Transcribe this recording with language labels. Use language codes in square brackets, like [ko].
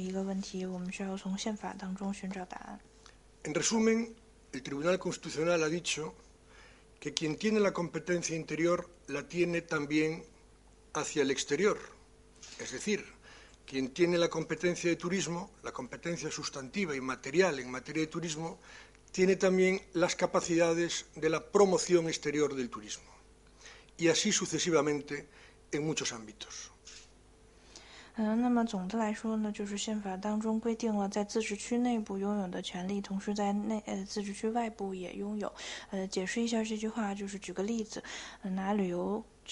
[zh] 那么我们最主要的一个问题呢，就是当这个面对欧盟的时候呢，我们的这些地方自治是如何实行的，或者是它如何保障这地方的权益。那么在这种现代的国际关系当中呢，如果要回答这样的一个问题，我们需要从宪法当中寻找答案。 [es] En resumen, el Tribunal Constitucional ha dicho que quien tiene la competencia interior la tiene también hacia el exterior. Es decir, quien tiene la competencia de turismo, la competencia sustantiva y material en materia de turismo, tiene también las capacidades de la promoción exterior del turismo. Y así sucesivamente en muchos ámbitos. [zh] 那么总的来说呢，就是宪法当中规定了在自治区内部拥有的权利，同时在自治区外部也拥有。解释一下这句话，就是举个例子，拿旅游。